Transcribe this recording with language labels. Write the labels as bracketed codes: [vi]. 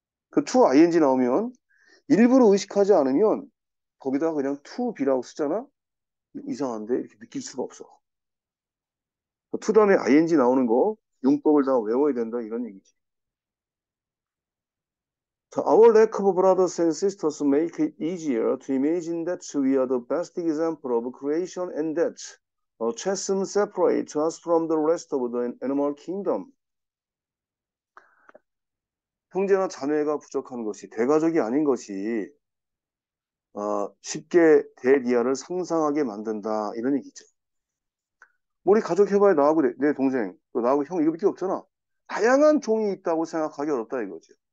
[ko] 그2 ing 나오면 일부러 의식하지 않으면 거기다가 그냥 2 b라고 쓰잖아? 이상한데? 이렇게 느낄 수가 없어. 2 다음에 ing 나오는 거, 용법을 다 외워야 된다, 이런 얘기지. [en] 자, Our lack of brothers and sisters make it easier to imagine that we are the best example of creation and that A chasm separates us from the rest of the animal kingdom. [ko] 형제나 자매가 부족한 것이, 대가족이 아닌 것이, 쉽게 대리아를 상상하게 만든다. 이런 얘기죠. 우리 가족 해봐야 나하고 내 동생, 또 나하고 형, 이거밖에 없잖아. 다양한 종이 있다고 생각하기 어렵다. 이거죠.